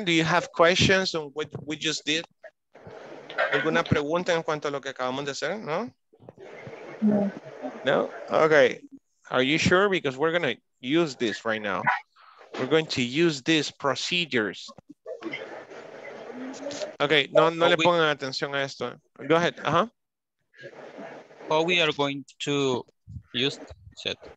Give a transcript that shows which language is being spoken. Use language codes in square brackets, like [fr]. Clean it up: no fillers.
[en] Do you have questions on what we just did? [es] ¿Alguna pregunta en cuanto a lo que acabamos de hacer? [en] No? No. No? Okay. Are you sure? Because we're going to use this right now. We're going to use these procedures. [es] Okay. No le pongan atención a esto. [en] Go ahead. [es] Uh-huh. [en] Oh, we are going to use set.